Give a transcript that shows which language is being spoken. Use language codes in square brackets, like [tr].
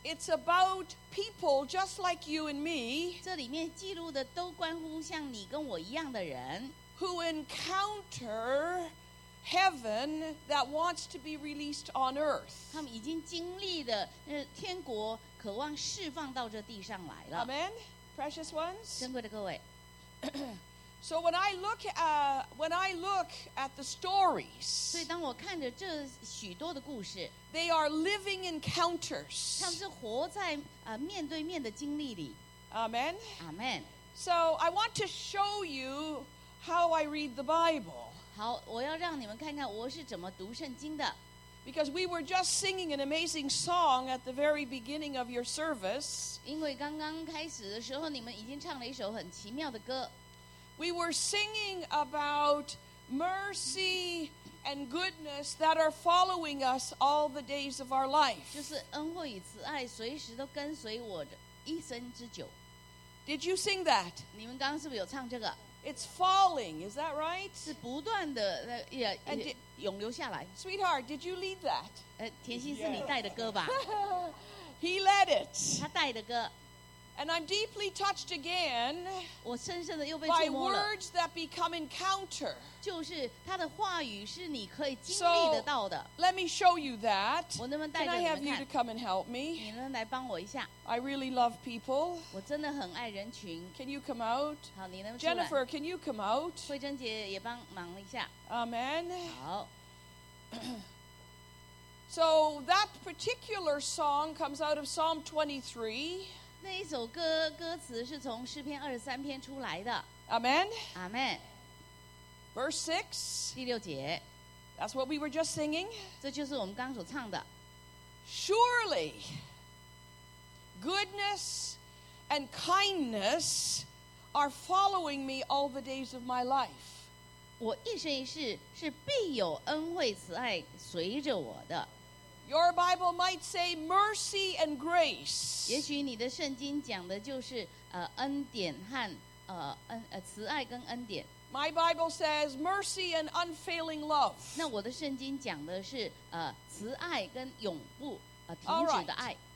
[en] It's about people just like you and me. [zh] 这里面记录的都关乎像你跟我一样的人。 [en] Who encounter heaven that wants to be released on earth? [zh] 他们已经经历了天国，渴望释放到这地上来了。 [en] Amen, precious ones. [zh] 珍贵的各位。 [en] So when I look at the stories, [zh] 所以当我看着这许多的故事， [en] they are living encounters. [zh] 他们是活在面对面的经历里。 [en] Amen. Amen. So I want to show you how I read the Bible. [zh] 好，我要让你们看看我是怎么读圣经的。 [en] Because we were just singing an amazing song at the very beginning of your service. [zh] 因为刚刚开始的时候，你们已经唱了一首很奇妙的歌。 [en] We were singing about mercy and goodness that are following us all the days of our life. [zh] 就是恩惠与慈爱随时都跟随我的一生之久。 [en] Did you sing that? [zh] 你们刚刚是不是有唱这个？ [en] It's falling, is that right? [zh] 是不断的涌流下来。 [en] Sweetheart, did you lead that? [zh] 甜心是你带的歌吧？ [en] He led it. [zh] 他带的歌。 [en] And I'm deeply touched again [zh] 我深深的又被触摸了 [en] by words that become encounter. [zh] 就是他的话语是你可以经历得到的。 [en] So, let me show you that. [zh] 我能不能带着你们看？ [en] Can I have you to come and help me? [zh] 你能不能来帮我一下？ [en] I really love people. [zh] 我真的很爱人群。 [en] Can you come out? [zh] 好，你能不能出来？ [en] Jennifer, can you come out? [zh] 慧珍姐也帮忙一下。 [en] Amen. [zh] 好。 [en] So that particular song comes out of Psalm 23. [zh] 那一首歌歌词是从诗篇二十三篇出来的。 [en] Amen. Amen. Verse 6. [zh] 第六节。 [en] That's what we were just singing. [zh] 这就是我们刚所唱的。 [en] Surely, goodness and kindness are following me all the days of my life. [zh] 我一生一世是必有恩惠慈爱随着我的。 [en] Your Bible might say mercy and grace. [zh] 也许你的圣经讲的就是恩典和慈爱跟恩典。 [en] My Bible says mercy and unfailing love. [zh] 那我的圣经讲的是慈爱跟永不停止的爱。